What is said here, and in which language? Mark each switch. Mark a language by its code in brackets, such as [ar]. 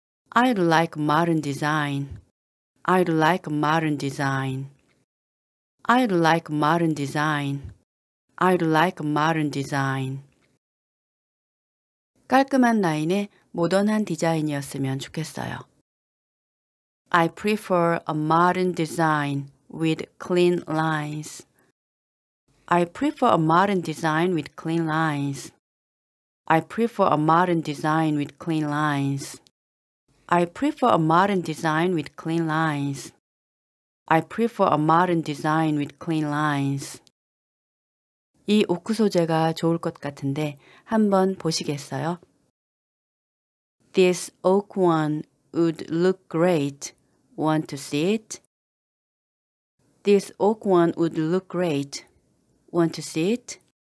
[en] I'd like modern design. I'd like modern design. I'd like modern design. I'd like modern design. [ko] 깔끔한 라인에 모던한 디자인이었으면 좋겠어요. [en] I prefer a modern design with clean lines. I prefer a modern design with clean lines. I prefer a modern design with clean lines. I prefer a modern design with clean lines. I prefer a modern design with clean lines. [ko] 이 옥크 소재가 좋을 것 같은데 한번 보시겠어요? [en] This oak one would look great. Want to see it? This oak one would look great. Want to see it?